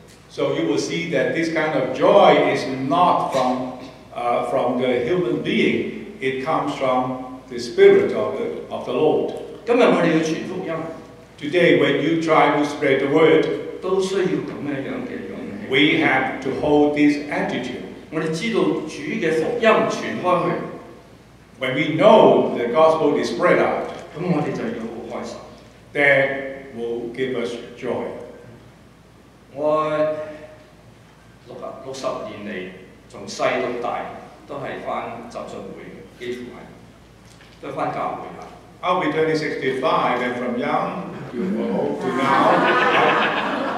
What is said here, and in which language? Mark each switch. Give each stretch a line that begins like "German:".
English: So you will see that this kind of joy is not from the human being. It comes from the Spirit of the Lord.
Cantonese: 今日我哋要傳福音。
English: Today, when you try to spread the word,
Cantonese: 都需要咁樣嘅勇氣。
English: We have to hold this attitude.
Cantonese: 我哋知道主嘅福音傳開去。
English: When we know the gospel is spread out,
Cantonese: 咁我哋就要好開心。
English: That will give us joy.
Cantonese: 我60年嚟，從細到大都係翻浸信會，幾乎係都翻教會啊。
English: I'll be 2065, and from young to old to now.